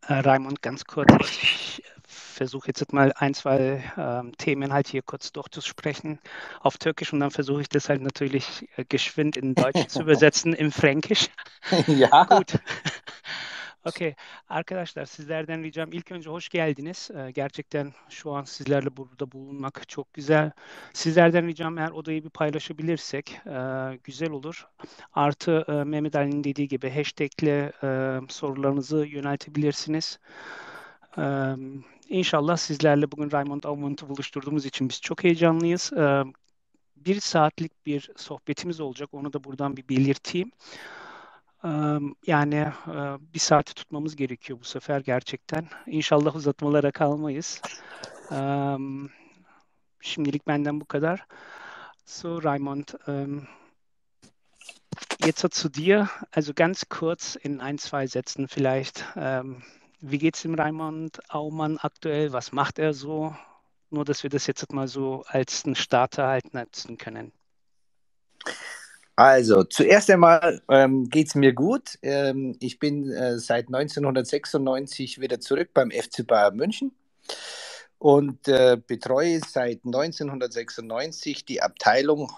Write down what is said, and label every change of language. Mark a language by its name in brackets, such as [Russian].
[German] Raymond, ganz kurz, ich versuche jetzt mal ein, zwei Themen halt hier kurz durchzusprechen auf Türkisch und dann versuche ich das halt natürlich geschwind in Deutsch zu übersetzen, in Fränkisch. Ja. Gut. [Turkish] Okay, arkadaşlar sizlerden ricam ilk önce hoş geldiniz. Gerçekten şu an sizlerle burada bulunmak çok güzel. Sizlerden ricam eğer odayı bir paylaşabilirsek güzel olur. Artı Mehmet Ali'nin dediği gibi hashtag'le sorularınızı yöneltebilirsiniz. İnşallah sizlerle bugün Raymond Aumann'ı buluşturduğumuz için biz çok heyecanlıyız. 1 saatlik bir sohbetimiz olacak. Onu da buradan bir belirteyim. Yani 1 saati tutmamız gerekiyor bu sefer gerçekten. İnşallah uzatmalara kalmayız. Şimdilik benden bu kadar. [German] So, Raymond, jetzt zu dir. Also ganz kurz in ein, zwei Sätzen vielleicht. Wie geht's dem Raymond Aumann aktuell? Was macht er so? nur dass wir das jetzt mal so als einen Starter halt nutzen können. Also, zuerst einmal geht es mir gut. Ich bin seit 1996 wieder zurück beim FC Bayern München und betreue seit 1996 die Abteilung.